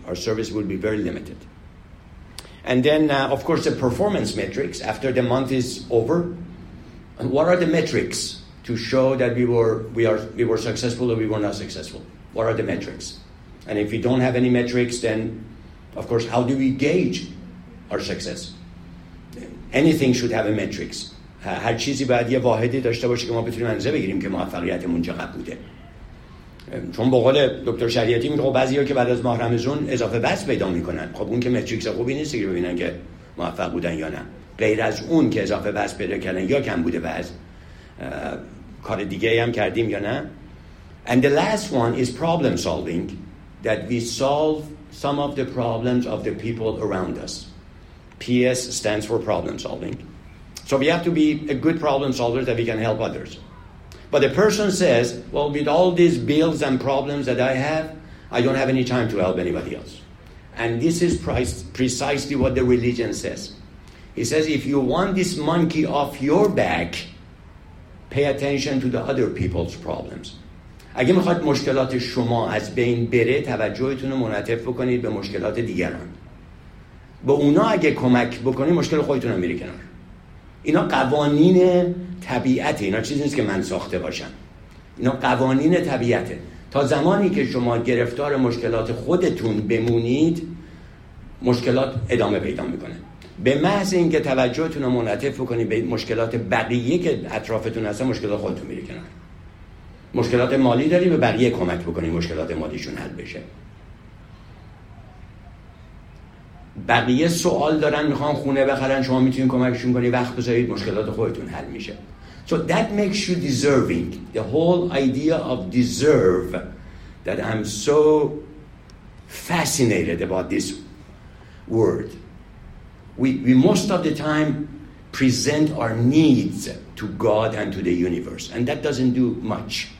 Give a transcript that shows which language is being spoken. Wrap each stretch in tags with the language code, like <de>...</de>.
<en>Our service will be very limited. And then, of course, the performance metrics after the month is over. And what are the metrics to show that we were successful or we were not successful? What are the metrics? And if we don't have any metrics, then, of course, how do we gauge our success? Anything should have a metrics.</en> <fa>هر چیزی باید یه واحدی داشته باشه که ما بتونیم اندازه بگیریم که موفقیتمون چقدر بوده. چون به قول دکتر شریعتی میگه بعضیا که بعد از ماه رمضان اضافه وزن پیدا میکنن، خب اون که متریکس خوبی نیست که ببینن که موفق بودن یا نه. غیر از اون که اضافه وزن پیدا کردن یا کم بوده وزن، کار دیگه ای هم کردیم یا نه.</fa> <en>And the last one is problem solving, that we solve some of the problems of the people around us. PS stands for problem solving. So we have to be a good problem solver that we can help others. But the person says, well, with all these bills and problems that I have, I don't have any time to help anybody else. And this is precisely what the religion says. He says, if you want this monkey off your back, pay attention to the other people's problems.</en> <fa>اگه میخواید مشکلات شما از بین بره، توجهتون رو منعطف بکنید به مشکلات دیگران. به اونا اگه کمک بکنید، مشکل خودتون رو میری کنار. اینا قوانین طبیعته، اینا چیزی نیست که من ساخته باشم. اینا قوانین طبیعته. تا زمانی که شما گرفتار مشکلات خودتون بمونید، مشکلات ادامه پیدا میکنه. به محض اینکه توجهتون رو منعطف بکنید به مشکلات بقیه که اطرافتون هستن، مشکلات خودتون میری کنار. مشکلات مالی داری، به بقیه کمک بکنی مشکلات مالیشون حل بشه. بقیه سوال دارن، میخوان خونه بخرن، شما میتونید کمکشون کنی، وقت بذارید، مشکلات خودتون حل میشه.</fa> <en>So that makes you deserving. The whole idea of deserve that I'm so fascinated about this word. We most of the time present our needs to God and to the universe, and that doesn't do much.</en>